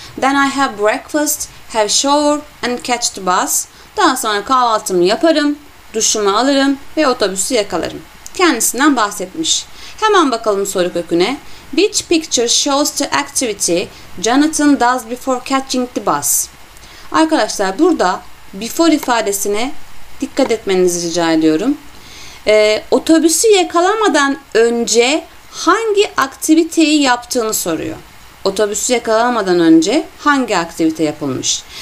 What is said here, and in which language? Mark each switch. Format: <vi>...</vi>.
<en>Then I have breakfast, have shower and catch the bus.</en> <tr>Daha sonra kahvaltımı yaparım, duşumu alırım ve otobüsü yakalarım. Kendisinden bahsetmiş. Hemen bakalım soru köküne.</tr> <en>Which picture shows the activity Jonathan does before catching the bus?</en> <tr>Arkadaşlar, burada before ifadesine dikkat etmenizi rica ediyorum. Otobüsü yakalamadan önce hangi aktiviteyi yaptığını soruyor. Otobüsü yakalamadan önce hangi aktivite yapılmış?</tr>